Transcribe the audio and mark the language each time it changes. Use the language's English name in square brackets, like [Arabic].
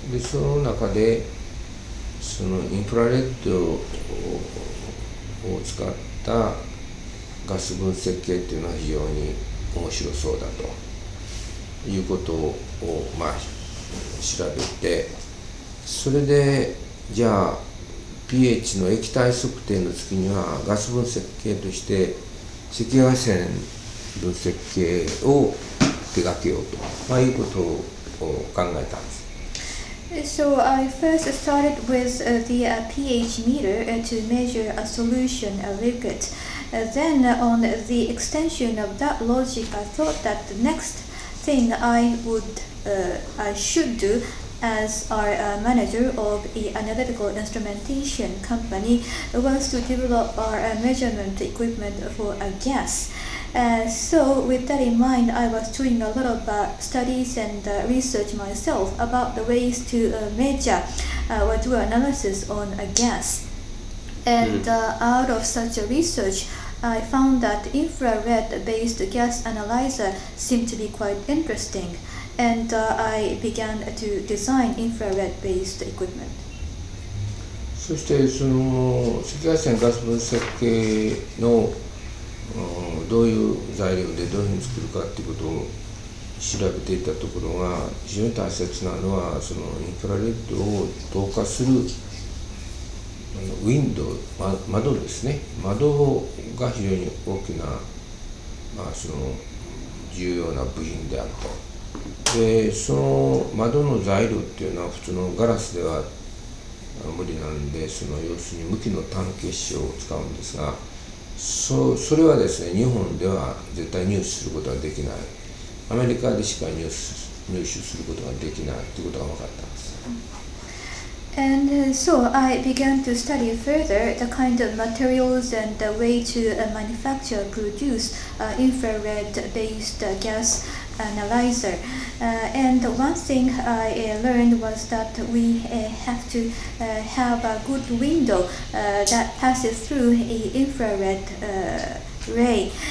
[Japanese] で、その中で、そのインフラレッドを使ったガス分析系っていうのは非常に面白そうだということをまあ調べて、それでじゃあ pH の液体測定の時にはガス分析系として赤外線分析系を手掛けようと、まあ、いうことを考えたんです。 [English] So I first started with the pH meter to measure a solution, a liquid. Then on the extension of that logic, I thought that the next thing I should do as our manager of an analytical instrumentation company was to develop our measurement equipment for a gas. So with that in mind, I was doing a lot of studies and research myself about the ways to measure or do analysis on a gas. And out of such a research, I found that infrared-based gas analyzer seemed to be quite interesting. And I began to design infrared-based equipment. [Japanese] そしてその赤外線ガス分析系のどういう材料でどういうふうに作るかということを調べていたところが、非常に大切なのはそのインフラレッドを透過するウィンドウ、窓ですね、窓が非常に大きな、まあ、その重要な部品であると。で、その窓の材料っていうのは普通のガラスでは無理なんで、その要するに無機の単結晶を使うんですが、それはですね、日本では絶対入手することはできない。アメリカでしか入手することができないということが分かったんです。 [English] And so I began to study further the kind of materials and the way to manufacture, produce infrared-based gas analyzer. And one thing I learned was that we have to have a good window that passes through an infrared ray.